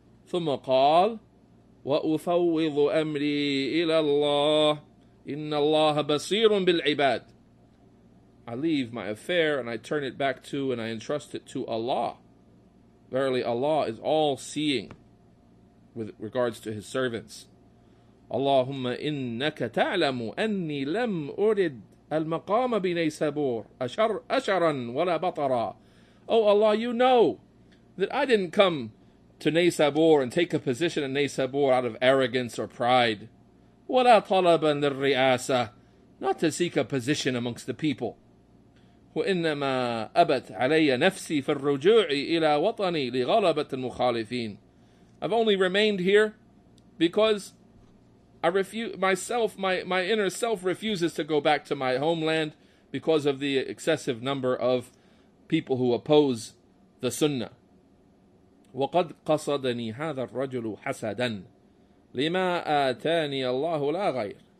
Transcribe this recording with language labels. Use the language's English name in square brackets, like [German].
[Arabic] ثُمَّ قَالْ وَأُفَوِّضُ أَمْرِي إِلَى اللَّهِ إِنَّ اللَّهَ بَصِيرٌ بِالْعِبَادِ. [English] I leave my affair and I turn it back to and I entrust it to Allah. Verily Allah is all-seeing with regards to His servants. [Arabic] اللهم إنك تعلم أني لم أرد المقام بنيسابور أشرا ولا بطرا. [English] Oh Allah, you know that I didn't come to Naysabur and take a position in Naysabur out of arrogance or pride. [Arabic] ولا طلبا للرئاسة. [English] Not to seek a position amongst the people. [Arabic] وإنما أبت علي نفسي في الرجوع إلى وطني لغلبة المخالفين. [English] I've only remained here because I refuse myself, my inner self refuses to go back to my homeland because of the excessive number of people who oppose the sunnah. [Arabic] وَقَدْ قَصَدَنِي هَذَا الرَّجُلُ حَسَدًا لِمَا آتَانِي اللَّهُ لَا غَيْرٍ.